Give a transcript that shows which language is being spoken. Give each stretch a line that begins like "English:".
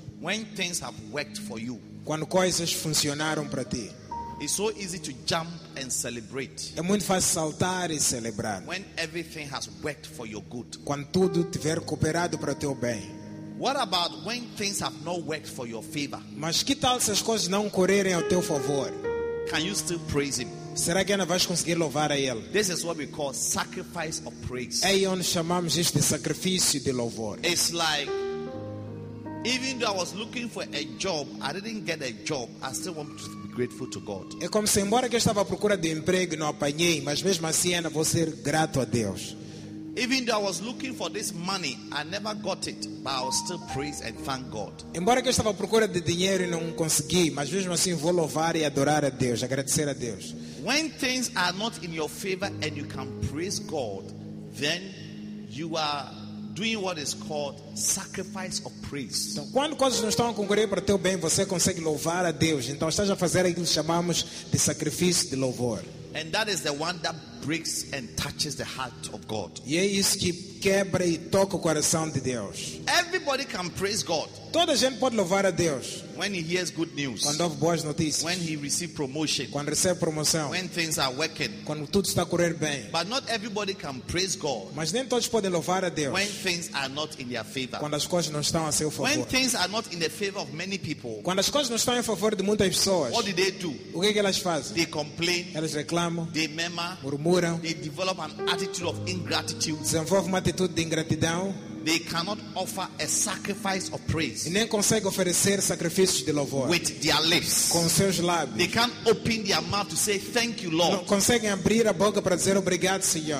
English: When things have worked for you.
Portuguese: Quando coisas funcionaram para ti.
English: It's so easy to jump and celebrate.
Portuguese: É muito fácil saltar e celebrar.
English: When everything has worked for your good.
Portuguese: Quando tudo tiver cooperado para teu bem.
English: What about when things have not worked for your favor?
Portuguese: Mas que tal se as coisas não correrem ao teu favor?
English: Can you still praise him?
Portuguese: Será que ainda vais conseguir louvar a ele?
English: This is what we call sacrifice of praise.
Portuguese: É onde chamamos isto de sacrifício de louvor.
English: It's like, even though I was looking for a job, I didn't get a job, I still want to be grateful to God.
Portuguese: É como se, embora que eu estava à procura de emprego, não apanhei, mas mesmo assim ainda vou ser grato a Deus.
English: Even though I was looking for this money, I never got it, but I'll still praise and thank God.
Portuguese: Embora que eu estava à procura de dinheiro e não consegui, mas mesmo assim vou louvar e adorar a Deus, agradecer a Deus.
English: When things are not in your favor and you can praise God, then you are doing what is called sacrifice of praise.
Portuguese: Então, quando coisas não estão a concorrer para o teu bem, você consegue louvar a Deus. Então, estás a fazer aquilo que chamamos de sacrifício de louvor.
English: And that is the one that breaks and touches the heart of God.
Portuguese: E é isso que quebra e toca o coração de Deus.
English: Everybody can praise God.
Portuguese: Toda gente pode louvar a Deus.
English: When he hears good news.
Portuguese: Quando ouve boas notícias.
English: When he receives promotion.
Portuguese: Quando recebe promoção.
English: When things are working.
Portuguese: Quando tudo está a correr bem.
English: But not everybody can praise God.
Portuguese: Mas nem todos podem louvar a Deus.
English: When things are not in their favor.
Portuguese: Quando as coisas não estão a seu favor.
English: When things are not in the favor of many people.
Portuguese: Quando as coisas não estão em favor de muitas pessoas.
English: What do they do?
Portuguese: O que elas fazem?
English: They complain.
Portuguese: Elas reclamam.
English: They murmur.
Portuguese: Murmuram.
English: They develop an attitude of ingratitude.
Portuguese: Desenvolvem uma atitude de ingratidão.
English: They cannot offer a sacrifice of praise.
Portuguese: E nem consegue oferecer sacrifício de louvor.
English: With their lips.
Portuguese: Com seus lábios.
English: They can't open their mouth to say thank you, Lord.
Portuguese: Não conseguem abrir a boca para dizer obrigado, Senhor.